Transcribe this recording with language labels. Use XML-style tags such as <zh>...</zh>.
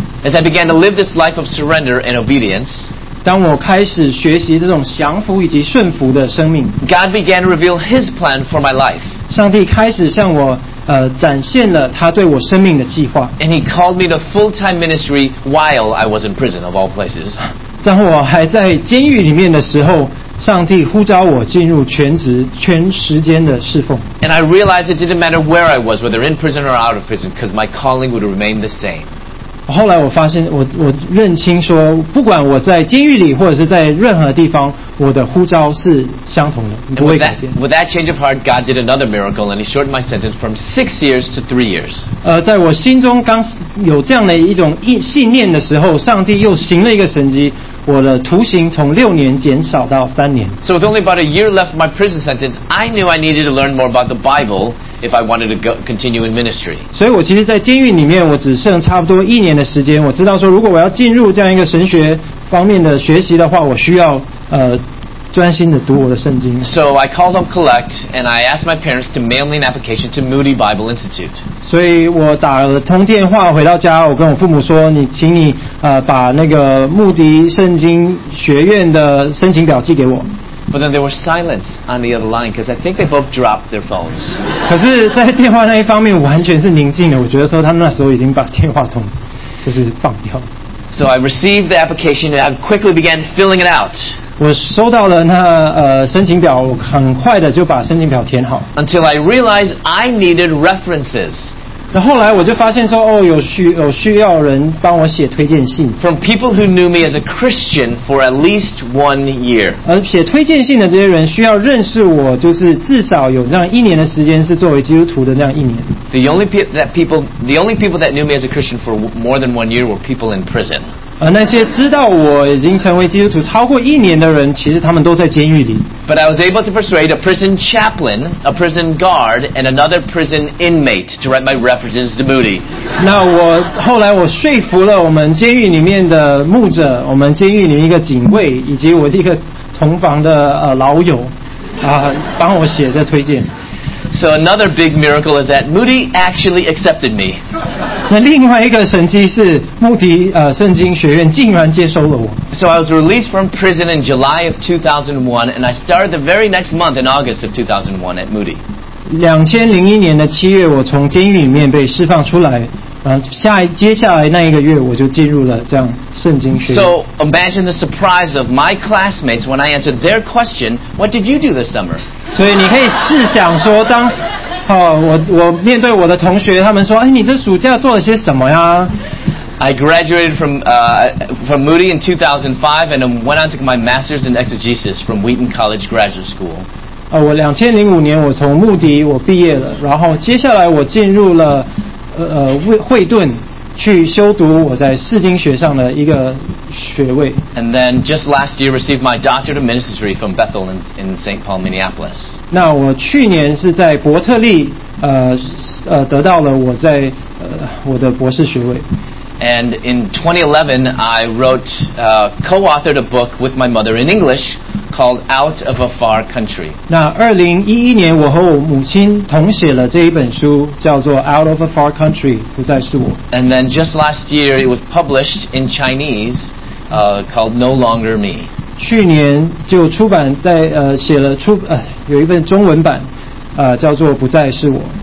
<en>As I began to live this life of surrender and obedience,</en> <zh>当我开始学习这种降服以及顺服的生命，</zh> <en>God began to reveal His plan for my life.</en> <zh>上帝开始向我展现了他对我生命的计划。</zh> <en>And He called me to full-time ministry while I was in prison, of all places.</en> <zh>当我还在监狱里面的时候，上帝呼召我进入全职全时间的侍奉。</zh> <en>And I realized it didn't matter where I was, whether in prison or out of prison, because my calling would remain the same.</en> <zh>后来我发现 我认清说不管我在监狱里或者是在任何地方，我的呼召是相同的，不会改变。</zh> <en>With that change of heart, God did another miracle and He shortened my sentence from 6 years to 3 years.</en> <zh>在我心中刚有这样的一种信念的时候，上帝又行了一个神迹，我的徒刑从6年减少到3年。</zh> <en>So with only about a year left of my prison sentence, I knew I needed to learn more about the Bible if I wanted to continue in ministry.</en> <zh>所以我其实在监狱里面我只剩差不多1年的时间，我知道说如果我要进入这样一个神学方面的学习的话，我需要专心的读我的圣经。</zh> <en>So I called up Collect and I asked my parents to mail me an application to Moody Bible Institute.</en> <zh>所以我打了通电话回到家，我跟我父母说你请你把那个穆迪圣经学院的申请表寄给我。</zh> <en>But then there was silence on the other line because I think they both dropped their phones.</en> <zh>可是在电话那一方面完全是宁静的，我觉得说他们那时候已经把电话筒就是放掉。</zh> <en>So I received the application and I quickly began filling it out.</en> <zh>我收到了那申请表，我很快的就把申请表填好。</zh> <en>Until I realized I needed references.</en> <zh>那后来我就发现说，哦，有需要人帮我写推荐信。</zh> <en>From people who knew me as a Christian for at least 1 year.</en> <zh>而写推荐信的这些人需要认识我，就是至少有那样一年的时间是作为基督徒的那样一年。</zh> <en>The only people that knew me as a Christian for more than 1 year were people in prison.</en> <zh>而那些知道我已经成为基督徒超过一年的人，其实他们都在监狱里。</zh> <en>But I was able to persuade a prison chaplain, a prison guard, and another prison inmate to write my references to Moody.</en> <zh>那我后来我说服了我们监狱里面的牧者，我们监狱里面一个警卫，以及我一个同房的老友，帮我写这推荐。</zh> <en>So another big miracle is that Moody actually accepted me.</en> <zh>那另外一个神迹是穆迪圣经学院竟然接收了我。</zh> <en>So I was released from prison in July of 2001, and I started the very next month in August of 2001 at Moody.</en> <zh>2001年的7月，我从监狱里面被释放出来。接下来那一个月，我就进入了这样圣经学院。</zh> <en>So imagine the surprise of my classmates when I answered their question, "What did you do this summer?"</en> <zh>所以你可以试想说，当我面对我的同学，他们说，哎，你这暑假做了些什么呀？</zh> <en>I graduated from Moody in 2005 and went on to get my master's in exegesis from Wheaton College Graduate School.</en> <zh>我2005年我从穆迪我毕业了，然后接下来我进入了。惠顿去修读我在释经学上的一个学位。</zh> <en>And then just last year received my doctorate of ministry from Bethel in St. Paul, Minneapolis.</en> <zh>那我去年是在伯特利得到了我在我的博士学位。</zh> <en>And in 2011, I wrote, co-authored a book with my mother in English called Out of a Far Country.</en> <zh>那2011年我和我母亲同写了这一本书叫做 Out of a Far Country, 不再是我。</zh> <en>And then just last year, it was published in Chinese, called No Longer Me.</en> <zh>去年就出版在写了出有一本中文版叫做不再是我。</zh>